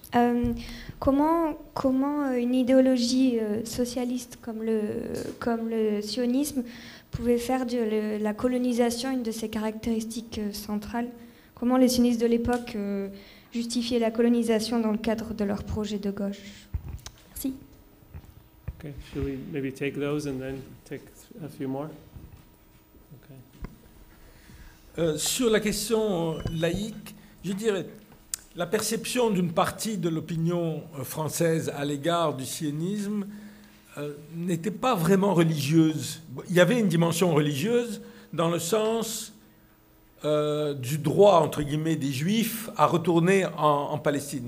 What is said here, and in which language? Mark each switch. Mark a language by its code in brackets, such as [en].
[fr] Comment une idéologie socialiste comme le sionisme pouvait faire de la colonisation une de ses caractéristiques centrales? Comment les sionistes de l'époque justifiaient la colonisation dans le cadre de leur projet de gauche? Merci. [en] Okay, should we maybe take those and then take a few more? Okay. [fr] Sur la question laïque, je dirais la perception d'une partie de l'opinion française à l'égard du sionisme n'était pas vraiment religieuse. Il y avait une dimension religieuse dans le sens du droit, entre guillemets, des juifs à retourner en Palestine.